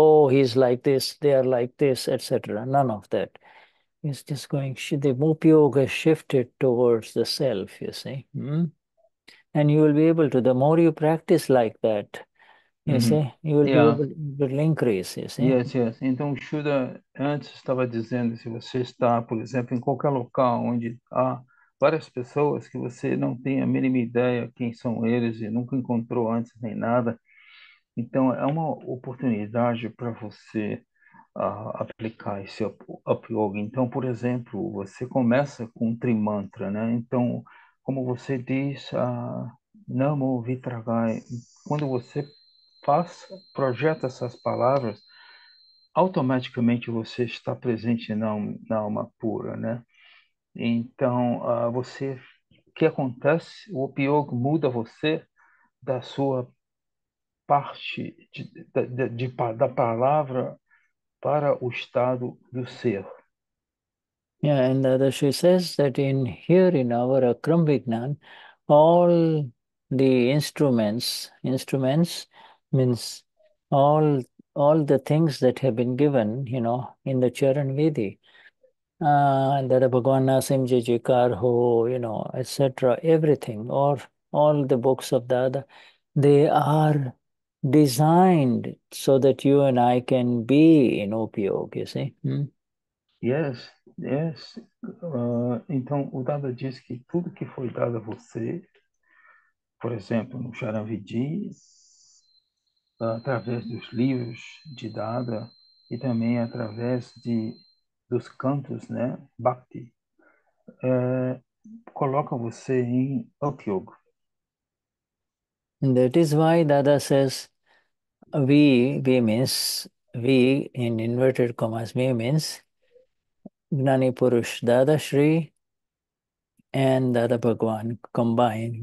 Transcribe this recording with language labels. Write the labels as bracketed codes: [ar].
[en] Oh, he's like this, they are like this, etc. None of that. It's just going, the upyog has shifted towards the self, you see. And you will be able to, the more you practice like that, you see, you will be able to increase, you see. Yes, yes. [pt] Então, o Shuddha antes estava dizendo, se você está, por exemplo, em qualquer local onde há várias pessoas que você não tem a mínima ideia quem são eles e nunca encontrou antes nem nada, então é uma oportunidade para você aplicar esse up-yoga. Então, por exemplo, você começa com um trimantra, né? Então, como você diz, Namo Vitragai, quando você projeta essas palavras, automaticamente você está presente na alma pura, né? Então, você, o que acontece? O opioid muda você da sua parte da palavra para o estado do ser. [en] Yeah, and that she says that in here in our Akram Vignan, all the instruments means all the things that have been given, you know, in the Charan Vidhi, that the Bhagavan Nasim Jijikar Ho, you know, etc., everything, or all the books of Dada, they are designed so that you and I can be in upyog, you see. Yes, yes. [pt] Então, o Dada diz que tudo que foi dado a você, por exemplo, no Charan Vidhi, através dos livros de Dada e também através dos cantos, né, Bhakti, coloca você em upyoga. [en] And that is why Dada says, we means, we in inverted commas, we means Gnani Purush, Dada Shri and Dada Bhagwan combined.